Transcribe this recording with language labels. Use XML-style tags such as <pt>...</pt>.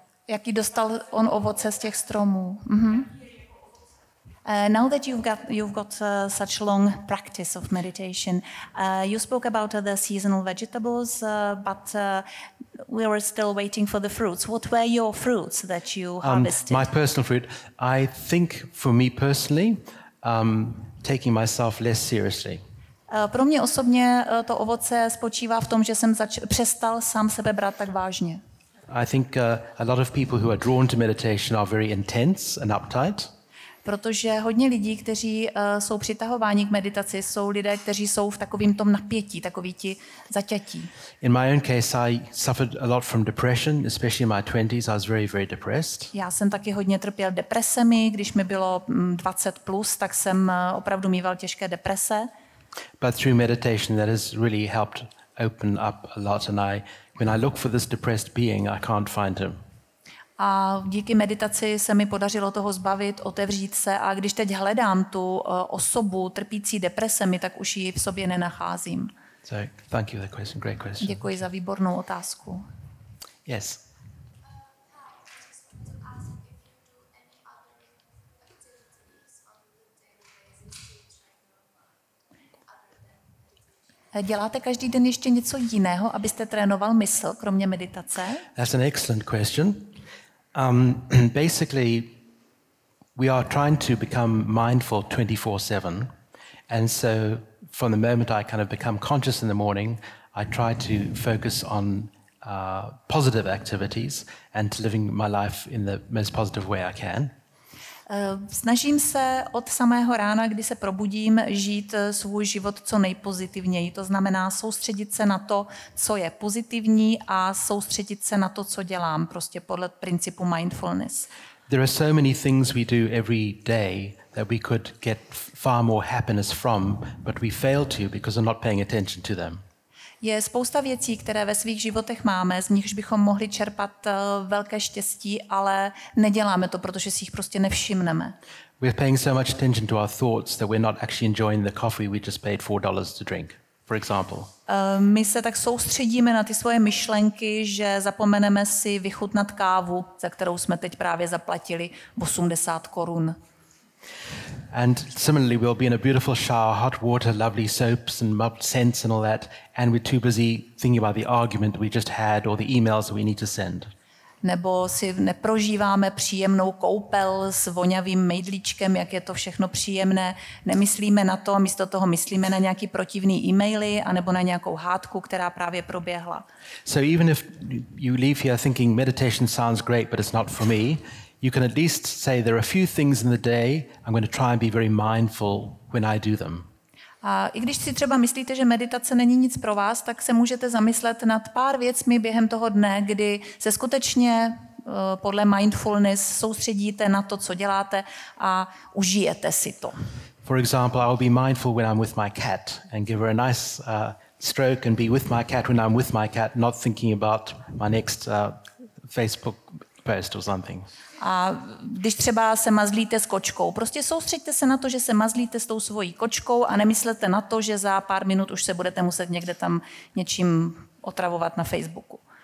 <cs>Jaký dostal on ovoce z těch stromů. Mm-hmm.</cs> <en>Now that you've got such long practice of meditation, you spoke about the seasonal vegetables, but we were still waiting for the fruits. What were your fruits that you harvested? My personal fruit, I think for me personally, taking myself less seriously.</en> <cs>Pro mě osobně to ovoce spočívá v tom, že jsem přestal sám sebe brát tak vážně.</cs> <en>I think a lot of people who are drawn to meditation are very intense and uptight.</en> <cs>Protože hodně lidí, kteří jsou přitahováni k meditaci, jsou lidé, kteří jsou v takovém tom napětí, takoví ti zaťatí.</cs> <en>In my own case I suffered a lot from depression, especially in my 20s, I was very very depressed.</en> <cs>Já jsem taky hodně trpěl depresemi, když mi bylo 20 plus, tak jsem opravdu mýval těžké deprese.</cs> <en>But through meditation that has really helped open up a lot, and when I look for this depressed being, I can't find him.</en> <cs>A díky meditaci se mi podařilo toho zbavit, otevřít se, a když teď hledám tu osobu trpící depresemi, tak už ji v sobě nenacházím.</cs> <en>So, thank you for the question. Great question.</en> <cs>Děkuji za výbornou otázku.</cs> <en>Yes.</en> <cs>Děláte každý den ještě něco jiného, abyste trénoval mysl, kromě meditace?</cs> <en>That's an excellent question. Basically, we are trying to become mindful 24/7, and so from the moment I kind of become conscious in the morning, I try to focus on positive activities and to living my life in the most positive way I can.</en> <cs>Snažím se od samého rána, kdy se probudím, žít svůj život co nejpozitivněji. To znamená soustředit se na to, co je pozitivní, a soustředit se na to, co dělám, prostě podle principu mindfulness.</cs> <en>There are so many things we do every day that we could get far more happiness from, but we fail to because we're not paying attention to them.</en> <cs>Je spousta věcí, které ve svých životech máme, z nichž bychom mohli čerpat velké štěstí, ale neděláme to, protože si jich prostě nevšimneme.</cs> <en>We're paying so much attention to our thoughts that we're not actually enjoying the coffee we just paid $4 to drink, for example.</en> <cs>My se tak soustředíme na ty svoje myšlenky, že zapomeneme si vychutnat kávu, za kterou jsme teď právě zaplatili 80 korun.</cs> <en>And similarly, we'll be in a beautiful shower, hot water, lovely soaps and scents and all that, and we're too busy thinking about the argument we just had or the emails we need to send.</en> <cs>Nebo si neprožíváme příjemnou koupel s vonavým mejdlíčkem, jak je to všechno příjemné. Nemyslíme na to, místo toho myslíme na nějaký protivný e-maily anebo na nějakou hádku, která právě proběhla.</cs> <en>So even if you leave here thinking meditation sounds great, but it's not for me, you can at least say there are a few things in the day I'm going to try and be very mindful when I do them.</en> <cs>A i když si třeba myslíte, že meditace není nic pro vás, tak se můžete zamyslet nad pár věcmi během toho dne, kdy se skutečně podle mindfulness soustředíte na to, co děláte, a užijete si to.</cs> <en>For example, I'll be mindful when I'm with my cat and give her a nice stroke and be with my cat when I'm with my cat, not thinking about my next Facebook post or something.</en> <cs>A když třeba se mazlíte s kočkou, prostě soustřeďte se na to, že se mazlíte s tou svojí kočkou, a nemyslete na to, že za pár minut už se budete muset někde tam něčím otravovat na Facebooku.</cs>